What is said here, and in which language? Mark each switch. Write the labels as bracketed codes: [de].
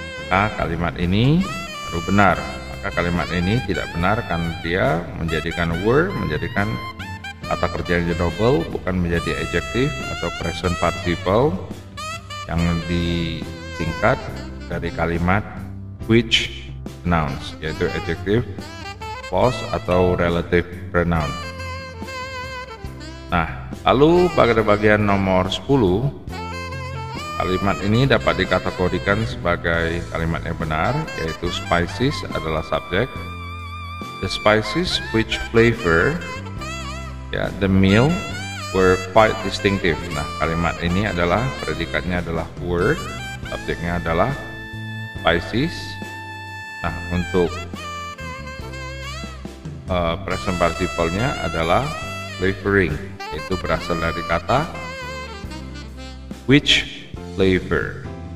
[id] Nah, kalimat ini baru benar. Maka kalimat ini tidak benar karena dia menjadikan word, menjadikan kata kerja yang double, bukan menjadi adjective atau present participle yang disingkat dari kalimat [en] which announce, [id] yaitu adjective plus atau relative pronoun. Nah, lalu pada bagian nomor 10, kalimat ini dapat dikategorikan sebagai kalimat yang benar, yaitu spices adalah subjek. [en] The spices which flavor the meal were quite distinctive. [id] Nah, kalimat ini adalah predikatnya adalah were, subjeknya adalah spices. Nah, untuk present participle-nya adalah flavoring, itu berasal dari kata which flavor.